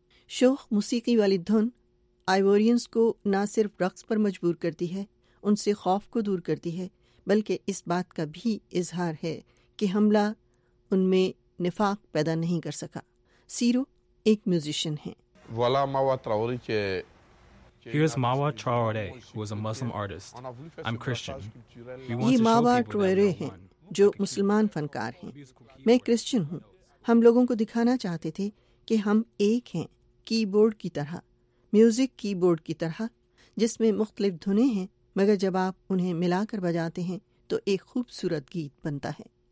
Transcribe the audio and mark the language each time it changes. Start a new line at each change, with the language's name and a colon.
Urdu: شوخ موسیقی والی دھن آئیورینز کو نہ صرف رقص پر مجبور کرتی ہے، ان سے خوف کو دور کرتی ہے، بلکہ اس بات کا بھی اظہار ہے کہ حملہ ان میں نفاق پیدا نہیں کر سکا. سیرو ایک میوزیشن ہیں.
English: Here's Mawa Traore, who is a Muslim artist. I'm Christian.
Urdu: یہ ماوا ٹراورے ہیں جو مسلمان فنکار ہیں. میں کرسچن ہوں. ہم لوگوں کو دکھانا چاہتے تھے کہ ہم ایک ہیں, کی بورڈ کی طرح, میوزک کی بورڈ کی طرح, جس میں مختلف دھنیں ہیں مگر جب آپ انہیں ملا کر بجاتے ہیں تو ایک خوبصورت گیت بنتا ہے.